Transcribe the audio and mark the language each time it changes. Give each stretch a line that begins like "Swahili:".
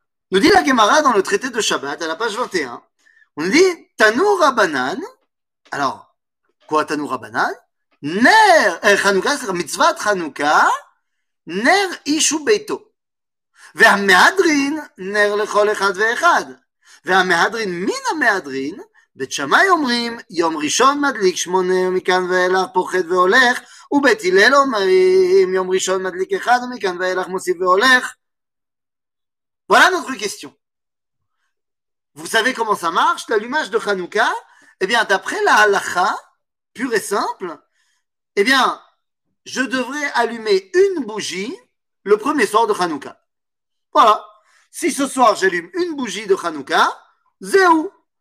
French: Nous dit la Gemara dans le traité de Shabbat, à la page 21, on dit «
Hebrew: Tanur Rabbanan ».
French: Alors, quoi
Hebrew: Tanur Rabbanan ?« Ner Chanukah »
French: c'est
Hebrew: « Mitzvat Chanukah »« Ner Ishu Beito » והמהדרין נר לכל אחד ואחד. והמהדרין מן המהדרין, בית שמאי אומרים, יום ראשון מדליק שמונה מכאן ואילך פוחד והולך, ובית הלל אומרים, יום ראשון מדליק אחד ומכאן ואילך מוסיף והולך.
French: Voilà notre question. Vous savez comment ça marche, l'allumage de Hanouka? Eh bien, d'après la halakha, pure et simple, eh bien, je devrais allumer une bougie le premier soir de Hanouka. Voilà. Si ce soir j'allume une bougie de Hanouka, zéou.